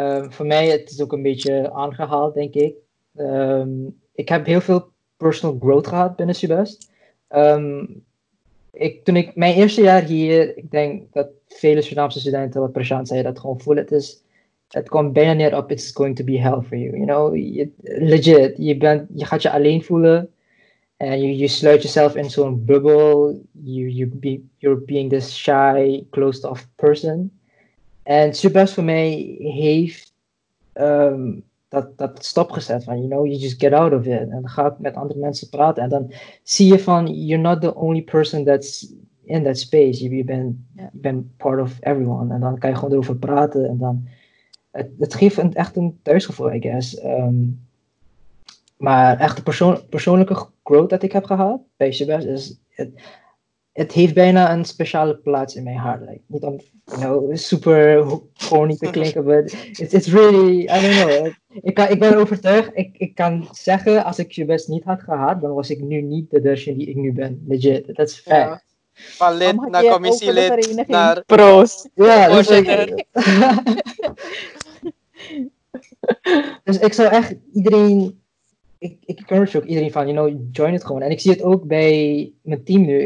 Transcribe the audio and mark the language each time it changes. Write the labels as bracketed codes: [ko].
[nl] Voor mij het is ook een beetje aangehaald, denk ik. Ik heb heel veel personal growth gehad binnen Subest. Toen ik mijn eerste jaar hier, ik denk dat vele Surinaamse studenten wat Prashant zei, dat gewoon voelen het is, het komt bijna neer op, [en] it's going to be hell for you, you know. [nl] Legit, je gaat je alleen voelen. En je sluit jezelf in zo'n bubbel. [en] You're being this shy, closed-off person. [nl] En Subest voor mij heeft dat stopgezet. [en] Van, you know, you just get out of it. [nl] En ga met andere mensen praten. En dan zie je van, [en] you're not the only person that's in that space. You've been part of everyone. [nl] En dan kan je gewoon erover praten. En dan, het geeft echt een thuisgevoel, [en] I guess. [nl] Maar echt de persoonlijke growth dat ik heb gehad bij Subest is, het heeft bijna een speciale plaats in mijn hart. [en] Like, [nl] niet om, [en] you know, super corny [nl] te klinken, [en] but it's really, I don't know. [nl] Ik ben overtuigd, ik kan zeggen, als ik Subest niet had gehad, dan was ik nu niet de Dershin die ik nu ben. [en] Legit, that's fact. Ja. [nl] Van lid naar commissielid naar pro's. Ja, voorzitter. Dus ik zou echt iedereen... Ik encourage ook iedereen van, you know, join het gewoon. En ik zie het ook bij mijn team nu.